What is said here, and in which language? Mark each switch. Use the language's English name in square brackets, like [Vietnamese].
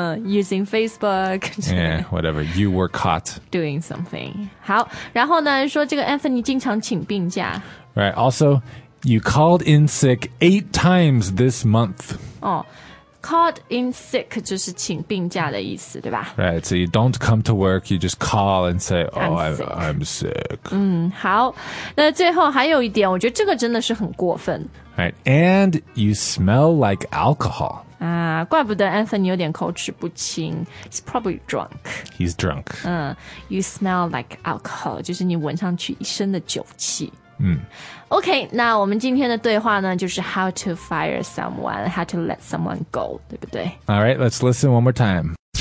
[English] Using Facebook. Yeah, whatever. You were caught. Doing something. [Chinese] 好,然后呢,说这个 Anthony 经常请病假。 [English] Right, also, you called in sick 8 times this month. [Chinese] Oh, [English] called in sick [Chinese] 就是请病假的意思,对吧? [English] Right, so you don't come to work, you just call and say, oh, I'm sick. [Chinese] 好,那最后还有一点,我觉得这个真的是很过分。 [English] Right, and you smell like alcohol. [Chinese] 怪不得 Anthony 有点口齿不清。 [English] He's probably drunk. He's drunk. You smell like alcohol, [Chinese] 就是你闻上去一身的酒气。 OK, 那我们今天的对话呢就是 [English] how to fire someone, how to let someone go, [Chinese] 对不对 [English] All right, let's listen one more time.